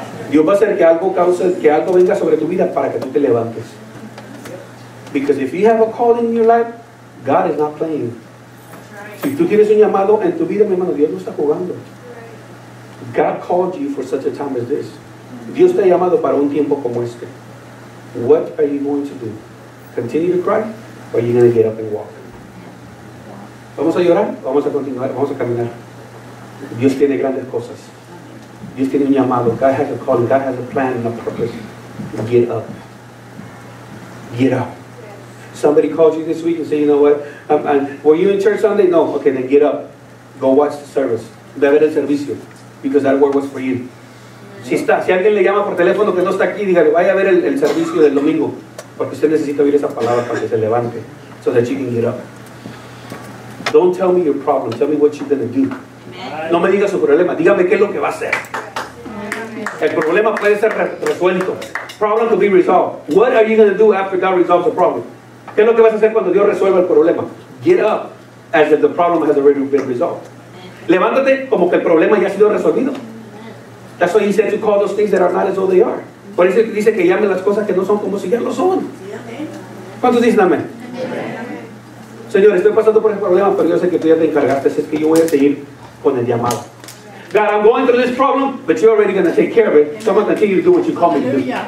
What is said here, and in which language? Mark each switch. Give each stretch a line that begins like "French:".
Spanish: Dios va a hacer que algo cause, que algo venga sobre tu vida para que tú te levantes.
English: Because if you have a calling in your life, God is not playing.
Spanish: Si tú tienes un llamado en tu vida, mi hermano, Dios no está jugando.
English: God called you for such a time as this.
Spanish: Dios te ha llamado para un tiempo como este.
English: What are you going to do? Continue to cry, or are you going to get up and walk?
Spanish: Vamos a llorar, vamos a continuar, vamos a caminar. Dios tiene grandes cosas. Dios tiene un llamado.
English: God has a calling, God has a plan and a purpose. Get up. Get up. Somebody calls you this week and say, you know what? Were you in church Sunday? No. Okay, then get up. Go watch the service.
Spanish: Debe de servicio.
English: Because that word was for you.
Spanish: Si está, si alguien le llama por teléfono que no está aquí, dígale, vaya a ver el servicio del domingo. Porque usted necesita oír esa palabra para que se levante.
English: So that you can get up. Don't tell me your problem. Tell me what you're going to do.
Spanish: No me diga su problema. Dígame qué es lo que va a hacer. El problema puede ser resuelto.
English: Problem to be resolved. What are you going to do after God resolves the problem?
Spanish: ¿Qué es lo que vas a hacer cuando Dios resuelva el problema?
English: Get up as if the problem has already been resolved.
Spanish: Levántate como que el problema ya ha sido resolvido.
English: That's why he said to call those things that are not as though they are.
Spanish: Por eso dice que llame las cosas que no son como si ya lo son. ¿Cuántos dicen amén? Señor, estoy pasando por ese problema, pero yo sé que tú ya te encargaste, así es que yo voy a seguir con el llamado.
English: God, I'm going through this problem, but you're already going to take care of it. So I'm going to continue to do what you call me to do.